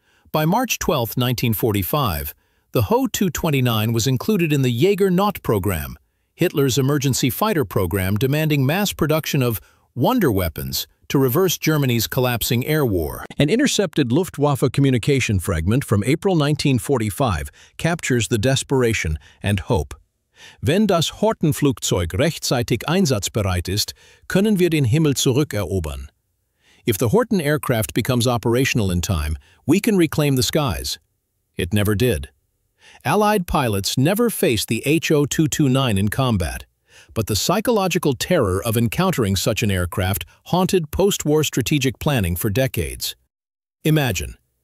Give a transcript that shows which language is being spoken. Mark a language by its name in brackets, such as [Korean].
[English] By March 12, 1945, the HO-229 was included in the Jaeger Naut program, Hitler's emergency fighter program demanding mass production of wonder weapons to reverse Germany's collapsing air war. An intercepted Luftwaffe communication fragment from April 1945 captures the desperation and hope. [German] Wenn das Hortenflugzeug rechtzeitig einsatzbereit ist, können wir den Himmel zurückerobern. [English] If the Horten aircraft becomes operational in time, we can reclaim the skies. It never did. Allied pilots never faced the HO-229 in combat, but the psychological terror of encountering such an aircraft haunted post-war strategic planning for decades. Imagine.